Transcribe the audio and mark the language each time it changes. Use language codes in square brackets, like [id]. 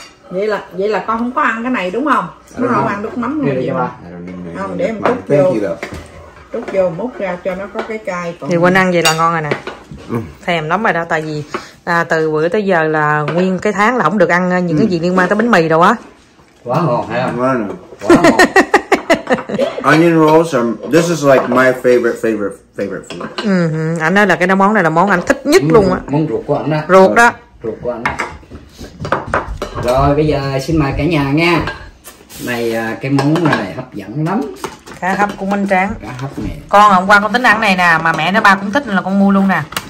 [vi] Vậy là con không có ăn cái này đúng không? Nó không ăn nước mắm luôn vậy ba. Không, để em múc vô. Múc vô, múc ra cho nó có cái cay. Thì Quynh ăn vậy là ngon rồi nè. Thèm lắm rồi đó, tại vì từ bữa tới giờ là nguyên cái tháng là không được ăn những cái gì liên quan tới bánh mì đâu á. Quá ngon ha. Quá ngon. [en] Onion rolls are, this is like my favorite food. [vi] Anh nói là cái món này là món anh thích nhất luôn á. Món ruột của anh á. Ruột đó. Ruột của anh á. Rồi bây giờ xin mời cả nhà nha. Này cái món này hấp dẫn lắm. Cá hấp của Minh Tráng. Cá hấp này. Con hôm qua con tính ăn này nè, mà mẹ nó ba cũng thích là con mua luôn nè.